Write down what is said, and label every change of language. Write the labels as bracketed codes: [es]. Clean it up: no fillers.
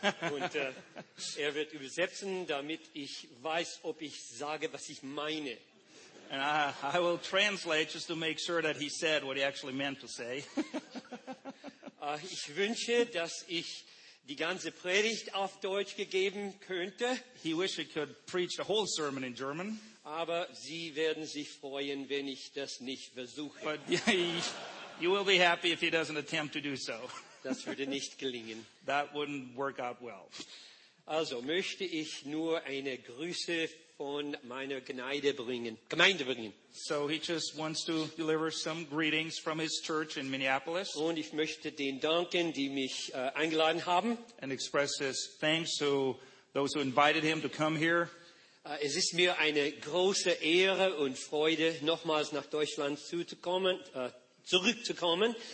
[de] Und wird übersetzen, damit ich weiß, ob ich sage, was ich meine. [en] And I will translate just to make sure that he said what he actually meant to say. [de] Ich wünsche, dass ich die ganze Predigt auf Deutsch gegeben könnte. [en] He wish he could preach the whole sermon in German. [de] Aber Sie werden sich freuen, wenn ich das nicht versuche. [en] But you will be happy if he doesn't attempt to do so. [de] Das würde nicht gelingen. [en] That wouldn't work out well. [de] Also möchte ich nur eine Grüße von meiner Gemeinde bringen. [en] So he just wants to deliver some greetings from his church in Minneapolis. [de] Und ich möchte den danken, die mich eingeladen haben. [en] And express his thanks to those who invited him to come here. [de] Es ist mir eine große Ehre und Freude, nochmals nach Deutschland zurückzukommen.